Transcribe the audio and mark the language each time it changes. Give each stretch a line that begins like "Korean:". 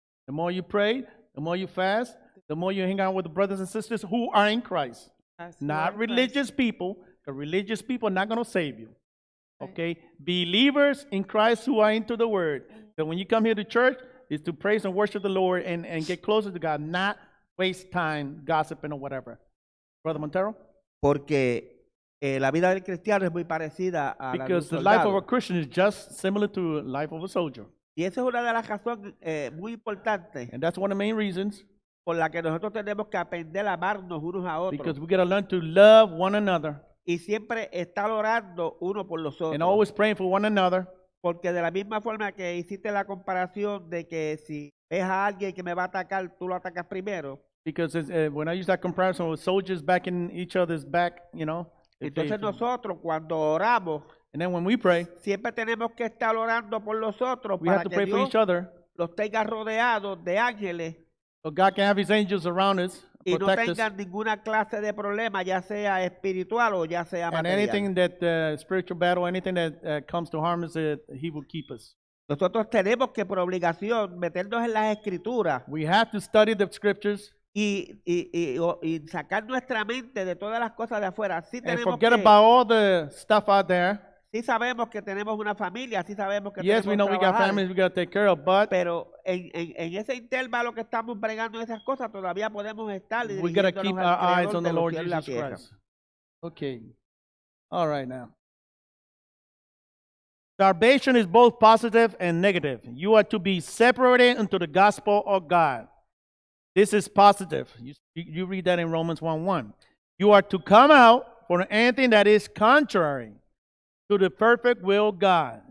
English: The more you pray, the more you fast, the more you hang out with the brothers and sisters who are in Christ. Not religious people. The religious people are not going to save you. Okay? Believers in Christ who are into the Word. So when you come here to church, it's to praise and worship the Lord and get closer to God, not waste time gossiping or whatever. Brother Montero?
Spanish: Porque la vida del cristiano es muy parecida a la de un soldado.
English: Because the life of a Christian is just similar to the life of a soldier.
Spanish: Y esa es una de las razones muy importantes.
English: And that's one of the main reasons.
Spanish: Por la que nosotros tenemos que aprender a amarnos unos a otros.
English: Because we got to learn to love one another.
Spanish: Y siempre estar orando uno por los otros.
English: And always praying for one another.
Spanish: Porque de la misma forma que hiciste la comparación de que si ves a alguien que me va a atacar, tú lo atacas primero.
English: Because when I use that comparison with soldiers backing each other's back, you know.
Spanish: Entonces they, nosotros cuando oramos.
English: And then when we pray.
Spanish: Siempre tenemos que estar orando por los otros.
English: We have to pray
Spanish: Dios
English: for each other.
Spanish: Los tenga rodeados de ángeles.
English: So God can have his angels around us.
Spanish: Y no tengan ninguna clase de problema, ya sea espiritual o ya sea material.
English: And anything that spiritual battle, anything that comes to harm us, he will keep us.
Spanish: Nosotros tenemos que por obligación meternos en las escrituras.
English: We have to study the scriptures.
Spanish: Y sacar nuestra mente de todas las cosas de afuera. Sí tenemos
English: and forget about all the stuff out there.
Spanish: Sí sabemos que tenemos una familia, sí sabemos que
English: yes,
Spanish: tenemos
English: we know
Spanish: trabajar,
English: we got families we got to take care of, but
Spanish: pero en ese intervalo que estamos bregando esas cosas todavía podemos estar
English: we got to keep our eyes on the Lord Jesus Christ. Okay. All right now. Starvation is both positive and negative. You are to be separated into the gospel of God. This is positive. You read that in Romans 1:1. You are to come out for anything that is contrary to the perfect will of God.